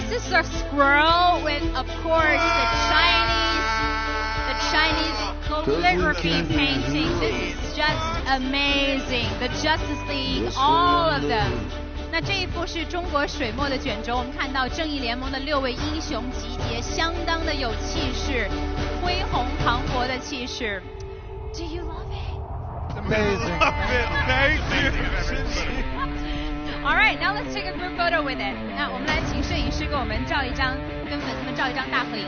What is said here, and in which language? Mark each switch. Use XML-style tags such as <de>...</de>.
<en>of squirrel with, of course, the Chinese calligraphy painting. This is just amazing. The Justice League, all of them.</en> <zh>那这一幅是中国水墨的卷轴，我们看到正义联盟的六位英雄集结，相当的有气势，恢弘磅礴的气势。</zh> <en>Do you love it? Amazing. Love it. Thank you. All right, now let's take a group photo with it.</en> <zh>那我们来请摄影师给我们照一张，跟粉丝们照一张大合影。</zh>